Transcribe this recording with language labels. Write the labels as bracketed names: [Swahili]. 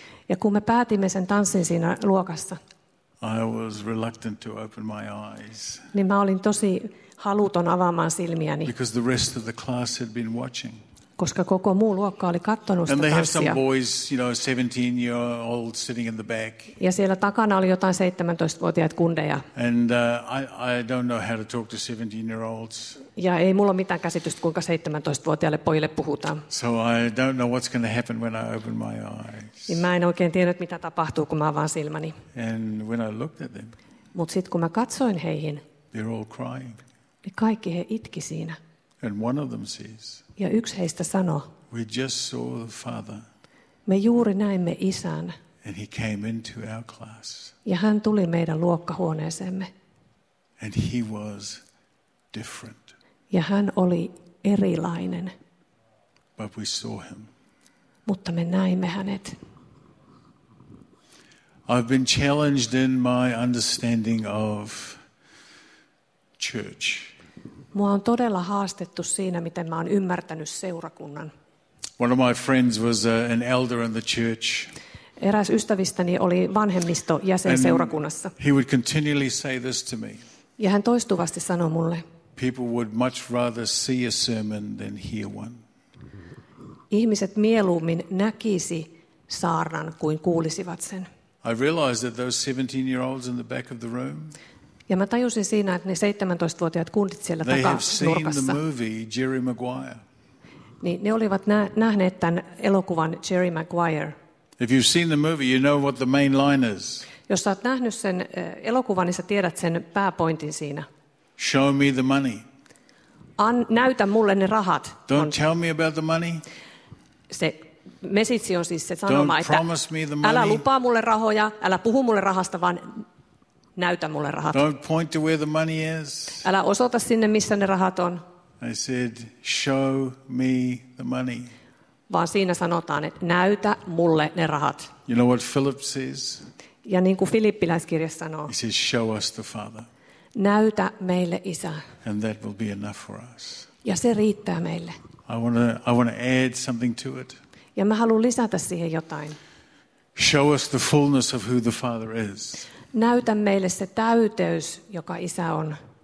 [Finnish] Ja kun me päätimme sen tanssin siinä luokassa. [English] I was reluctant to open my eyes. [Finnish] Niin mä olin tosi haluton avaamaan silmiäni. [English] Because the rest of the class had been watching. [Finnish] Koska koko muu luokka oli kattonut sitä tanssia. [English] And they have some boys, you know, 17-year-old sitting in the back. [Finnish] Ja siellä takana oli jotain 17-vuotiaat kundeja. [English] And I don't know how to talk to 17-year-olds. [Finnish] Ja ei mulla ole mitään käsitystä, kuinka 17-vuotiaalle pojille puhutaan. [English] So I don't know what's going to happen when I open my eyes. [Finnish] Niin mä en oikein tiennyt, mitä tapahtuu, kun mä avaan silmäni. [English] And when I looked at them. [Finnish] Mut sit kun mä katsoin heihin. [English] They're all crying. [Finnish] Niin kaikki he itki siinä. [English] And one of them says. [Finnish] Ja yksi heistä sanoi. [English] We just saw the Father. [Finnish] Me juuri näimme isän. [English] And he came into our class. [Finnish] Ja hän tuli meidän luokkahuoneeseemme. [English] And he was different. [Finnish] Ja hän oli erilainen. [English] But we saw him. [Finnish] Mutta me näimme hänet. [English] I've been challenged in my understanding of church. [Finnish] Mua on todella haastettu siinä, miten mä oon ymmärtänyt seurakunnan. [English] One of my friends was an elder in the church. [Finnish] Eräs ystävistäni oli vanhemmisto jäsen [English] and [Finnish] seurakunnassa. [English] He would continually say this to me. [Finnish] Ja hän toistuvasti sanoi mulle. [English] People would much rather see a sermon than hear one. [Finnish] Ihmiset mieluummin näkisi saarnan kuin kuulisivat sen. [English] I realized that those 17-year-olds in the back of the room. [Finnish] Ja mä tajusin siinä, että ne 17-vuotiaat kundit siellä takanurkassa. Niin ne olivat nähneet tämän elokuvan Jerry Maguire. [English] If you've seen the movie, you know what the main line is. [Finnish] Jos sä oot nähnyt sen elokuvan, niin sä tiedät sen pääpointin siinä. [English] Show me the money. [Finnish] Näytä mulle ne rahat. [English] Don't tell me about the money. [Finnish] Se message on siis se sanoma, että älä lupaa mulle rahoja, älä puhu mulle rahasta, vaan näytä mulle rahat. [English] Don't point to where the money is. [Finnish] Älä osoita sinne, missä ne rahat on. [English] I said, show me the money. [Finnish] Vaan siinä sanotaan, että näytä mulle ne rahat. [English] You know what Philip says? [Finnish] Ja niin kuin filippiläiskirja sanoo. [English] He says, show us the Father. [Finnish] Näytä meille Isä. [English] And that will be enough for us. [Finnish] Ja se riittää meille. [English] I want to add something to it. [Finnish] Ja mä haluan lisätä siihen jotain. [English] Show us the fullness of who the Father is. [Finnish] Näytä meille se täyteys, joka Isä on.